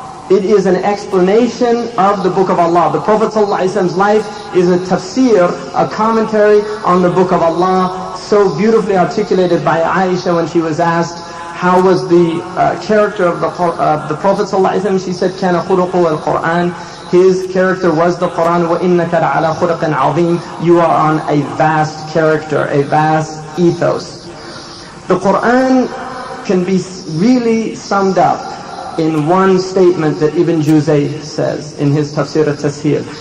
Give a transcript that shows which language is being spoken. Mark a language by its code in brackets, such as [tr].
[en] It is an explanation of the book of Allah. The Prophet ﷺ's life is a tafsir, a commentary on the book of Allah, so beautifully articulated by Aisha when she was asked, how was the character of the Prophet ﷺ? She said, [ar] كَانَ خُلُقُ الْقُرْآنِ. [en] His character was the Qur'an. [ar] وَإِنَّكَ لَعَلَى خُلُقٍ عَظِيمٍ. [en] You are on a vast character, a vast ethos. The Qur'an can be really summed up in one statement that Ibn Juzay says in his Tafsir al-Tashir.